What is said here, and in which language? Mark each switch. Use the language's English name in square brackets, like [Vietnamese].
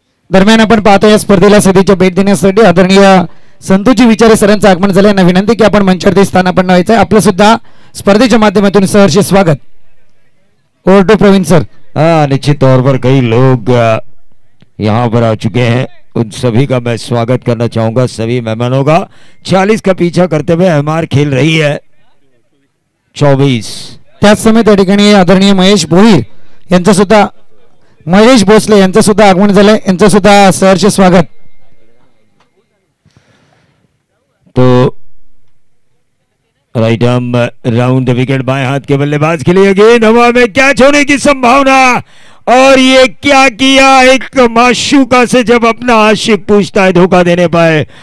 [Marathi] दरम्यान अपन पाहतो या स्पर्धेला सदीच्या भेट देण्यासाठी आदरणीय संतोजी विचारे सरांचं आगमन झालं आहे। विनंती की आपण मंचावरती स्थानापन्न व्हायचं आहे, आपलं सुद्धा स्पर्धेच्या माध्यमातून सहर्ष स्वागत। [English] Over to Praveen sir. [Hindi] निश्चित तौर पर कई लोग यहाँ पर आ चुके हैं, उन सभी का मैं स्वागत करना चाहूंगा, सभी मेहमानों का। 40 का पीछा करते हुए एमआर खेल रही है 24। [Marathi] त्याच समय त्या ठिकाणी आदरणीय महेश भोईर यांचं सुद्धा, महेश भोसले यांचं सुद्धा आगमन झालंय, यांचं सुद्धा सहर्ष स्वागत। [Hindi] तो right arm round the wicket, बाएं हाथ के बल्लेबाज के लिए गेंद, हवा में कैच होने की संभावना। और ये क्या किया एक माशूका से, जब अपना आशिक पूछता है धोखा देने पाए।